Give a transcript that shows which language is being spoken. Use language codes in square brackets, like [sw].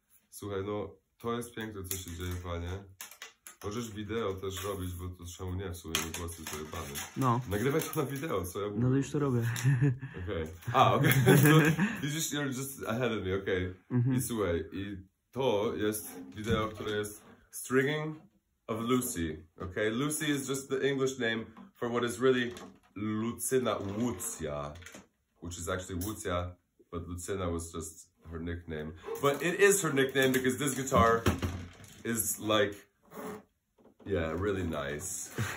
[pl] Słuchaj, no to jest piękne, co się dzieje, panie. Możesz wideo też robić, bo to czemu nie, w sumie mi włosy zajebane. No. Nagrywaj to na wideo, co ja mówię? No to już to robię. Okej. Okay. A, okej. [en] Okay. You're just ahead of me, okej. Okay. [pl] Mm-hmm. I słuchaj, i to jest wideo, które jest Stringing of Lucy, okej? [en] Okay? Lucy is just the English name for what is really Lucyna Łucja. Which is actually Łucja, but Lucyna was just her nickname. But it is her nickname because this guitar is like... Yeah, really nice.